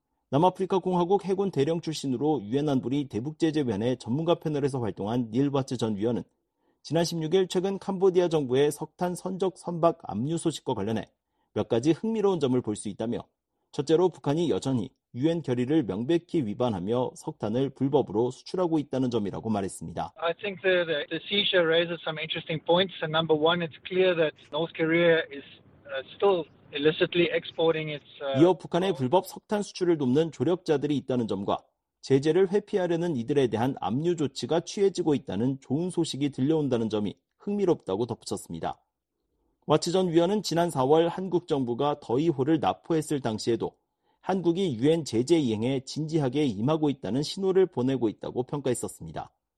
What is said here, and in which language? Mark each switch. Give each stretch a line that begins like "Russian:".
Korean: 남아프리카공화국 해군 대령 출신으로 유엔 안보리 대북제재위원회 전문가 패널에서 활동한 닐 바츠 전 위원은 지난 16일 최근 캄보디아 정부의 석탄 선적 선박 압류 소식과 관련해 몇 가지 흥미로운 점을 볼 수 있다며 첫째로 북한이 여전히 유엔 결의를 명백히 위반하며 석탄을 불법으로 수출하고 있다는 점이라고 말했습니다.
English: I think that the seizure raises some interesting points. And number one, it's clear that North Korea is still illicitly exporting its.
Korean: 이어 북한의 불법 석탄 수출을 돕는 조력자들이 있다는 점과 제재를 회피하려는 이들에 대한 압류 조치가 취해지고 있다는 좋은 소식이 들려온다는 점이 흥미롭다고 덧붙였습니다. 와츠 전 위원은 지난 4월 한국 정부가 더이호를 납포했을 당시에도 한국이 유엔 제재 이행에 진지하게 임하고 있다는 신호를 보내고 있다고 평가했었습니다.